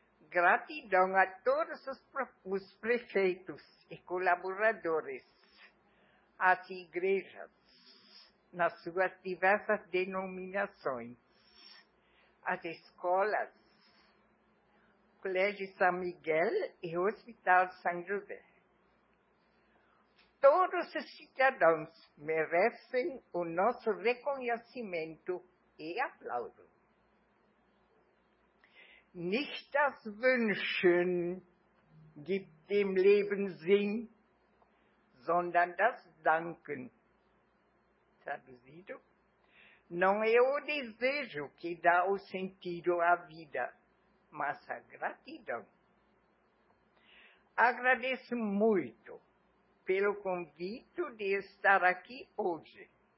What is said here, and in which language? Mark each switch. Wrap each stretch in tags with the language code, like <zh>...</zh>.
<pt>Gratidão a todos os prefeitos e colaboradores, às igrejas, nas suas diversas denominações, às escolas, Colégio São Miguel e Hospital São José. Todos os cidadãos merecem o nosso reconhecimento e aplauso.</pt> <de>Nicht das Wünschen gibt dem Leben Sinn, sondern das Danken.</de> <pt>Traduzido? Não é o desejo que dá o sentido à vida, mas a gratidão. Agradeço muito pelo convite de estar aqui hoje.</pt>